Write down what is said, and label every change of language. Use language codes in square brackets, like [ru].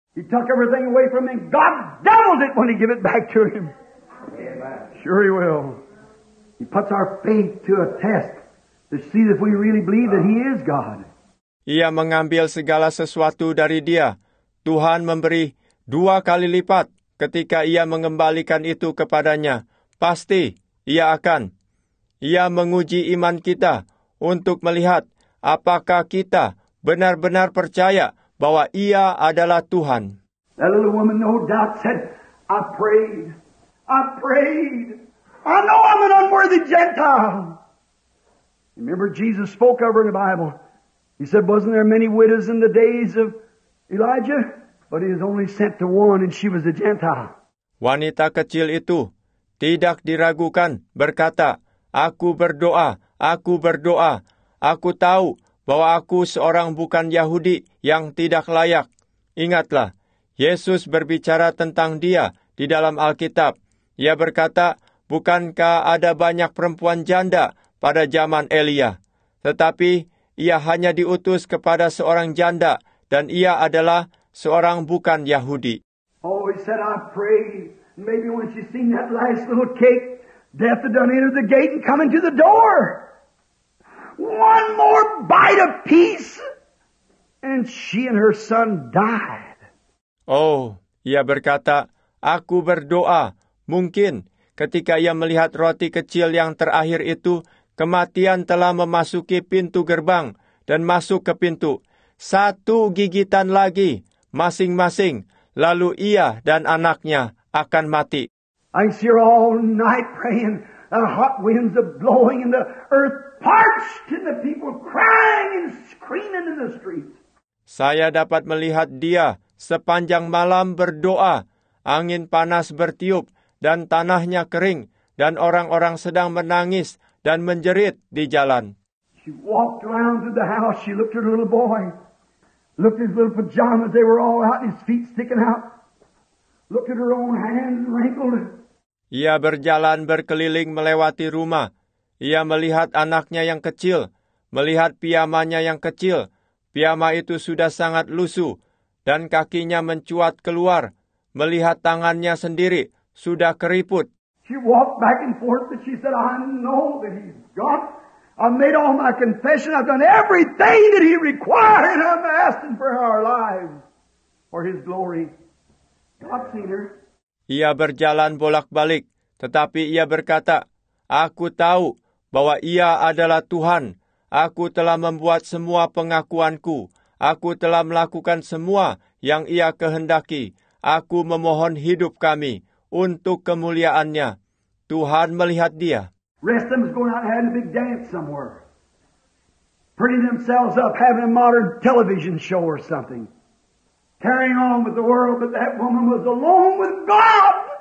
[en] He took everything away from him. God doubled it when he gave it back to him. Amen. Sure he will. He puts our faith to a test to see if we really believe that he is God. [id] Ia mengambil segala sesuatu dari dia. Tuhan memberi dua kali lipat ketika ia mengembalikan itu kepadanya. Pasti ia akan. Ia menguji iman kita untuk melihat apakah kita benar-benar percaya bahwa ia adalah Tuhan. [en] That little woman no doubt said, I prayed. I know I'm an unworthy Gentile. Remember Jesus spoke of her in the Bible. He said, wasn't there many widows in the days of Elijah? But he was only sent to one and she was a Gentile. [id] Wanita kecil itu tidak diragukan berkata, Aku berdoa. Aku tahu bahwa aku seorang bukan Yahudi yang tidak layak. Ingatlah, Yesus berbicara tentang dia di dalam Alkitab. Ia berkata, bukankah ada banyak perempuan janda pada zaman Elia? Tetapi ia hanya diutus kepada seorang janda dan ia adalah seorang bukan Yahudi. [en] Oh, he said, I pray. Maybe when she seen that last little cake, death had done enter the gate and come into the door. One more bite of peace, and she and her son died. [id] Oh, ia berkata, aku berdoa. Mungkin ketika ia melihat roti kecil yang terakhir itu, kematian telah memasuki pintu gerbang dan masuk ke pintu. Satu gigitan lagi, masing-masing, lalu ia dan anaknya akan mati. [en] I see her all night praying, the hot winds are blowing in the earth. Parched in the people crying and screaming in the streets. [id] Saya dapat melihat dia sepanjang malam berdoa. Angin panas bertiup dan tanahnya kering dan orang-orang sedang menangis dan menjerit di jalan. [en] She walked around to the house. She looked at her little boy. Looked at his little pajamas. They were all out. His feet sticking out. Looked at her own hands wrinkled. [id] Ia berjalan berkeliling melewati rumah. Ia melihat anaknya yang kecil, melihat piyamanya yang kecil. Piyama itu sudah sangat lusuh, dan kakinya mencuat keluar. Melihat tangannya sendiri, sudah keriput. [en] She walked back and forth, but she said, I know that he's God. I made all my confession. I've done everything that he required, and I'm asking for our lives, for his glory. God seen her. [id] Ia berjalan bolak-balik, tetapi ia berkata, aku tahu bahwa ia adalah Tuhan. Aku telah membuat semua pengakuanku. Aku telah melakukan semua yang ia kehendaki. Aku memohon hidup kami untuk kemuliaannya. Tuhan melihat dia. [en] Rest them is going out and having a big dance somewhere. Putting themselves up, having a modern television show or something. Carrying on with the world, but that woman was alone with God.